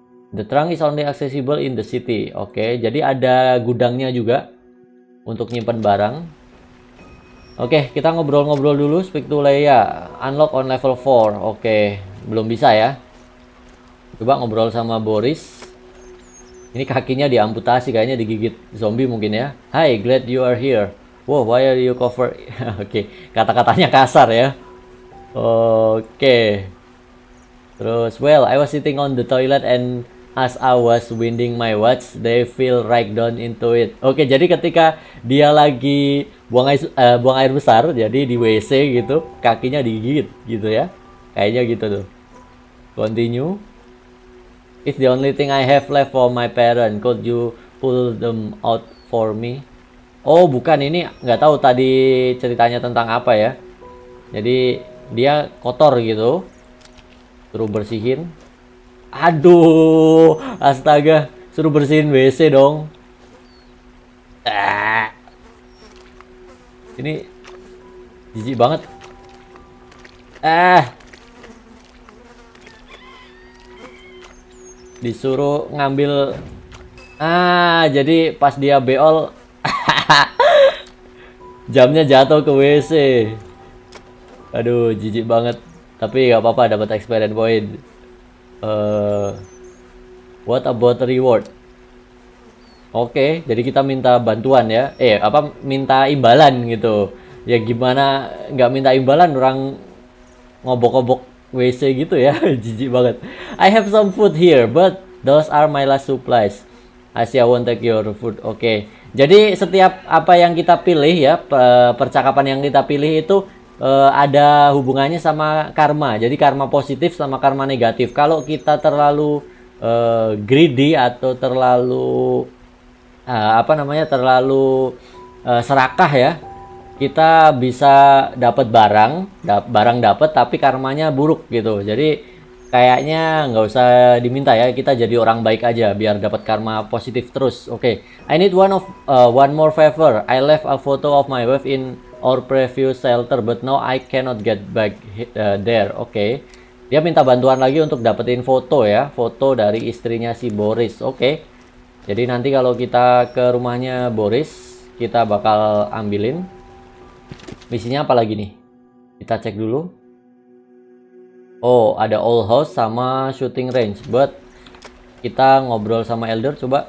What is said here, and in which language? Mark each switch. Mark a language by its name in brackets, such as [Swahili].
[English] The trunk is only accessible in the city. [Indonesian] Oke, jadi ada gudangnya juga untuk nyimpan barang. Oke, kita ngobrol-ngobrol dulu. [English] Speak to Leia. Unlock on level 4. [Indonesian] Oke, belum bisa ya. Coba ngobrol sama Boris. Ini kakinya diamputasi, kayaknya digigit zombie mungkin ya. [English] Hi, glad you are here. Wow, why are you covered? [Indonesian] Oke, kata-katanya kasar ya. Oke. [English] Terus, well, I was sitting on the toilet and as I was winding my watch, they fell right down into it. [Indonesian] Oke, jadi ketika dia lagi buang air besar, jadi di WC gitu, kakinya digigit gitu ya. Kayaknya gitu tuh. Continue. [English] It's the only thing I have left for my parents. Could you pull them out for me? [Indonesian] Oh, bukan, ini nggak tahu tadi ceritanya tentang apa ya. Jadi dia kotor gitu, suruh bersihin. Aduh, astaga, suruh bersihin WC dong. Ini jijik banget. Disuruh ngambil, jadi pas dia beol jamnya jatuh ke WC. Aduh, jijik banget, tapi nggak apa-apa, dapat experience point. [English] What about the reward? [Indonesian] Oke, jadi kita minta bantuan ya, minta imbalan gitu ya. Gimana nggak minta imbalan, orang ngobok-ngobok WC gitu ya. Jijik banget. [English] I have some food here, but those are my last supplies. Asia won't take your food. Oke. [Indonesian] Jadi setiap apa yang kita pilih ya, percakapan yang kita pilih itu ada hubungannya sama karma. Jadi karma positif sama karma negatif. Kalau kita terlalu greedy atau terlalu serakah ya, kita bisa dapat barang, barang dapat, tapi karmanya buruk gitu. Jadi kayaknya nggak usah diminta ya, kita jadi orang baik aja biar dapat karma positif terus. [English] Oke, okay. I need one more favor. I left a photo of my wife in our previous shelter, but now I cannot get back there. Oke, okay. [Indonesian] Dia minta bantuan lagi untuk dapetin foto ya, foto dari istrinya si Boris. Oke, okay. Jadi nanti kalau kita ke rumahnya Boris, kita bakal ambilin. Misinya apa lagi nih? Kita cek dulu. Oh, ada old house sama shooting range. But kita ngobrol sama elder coba.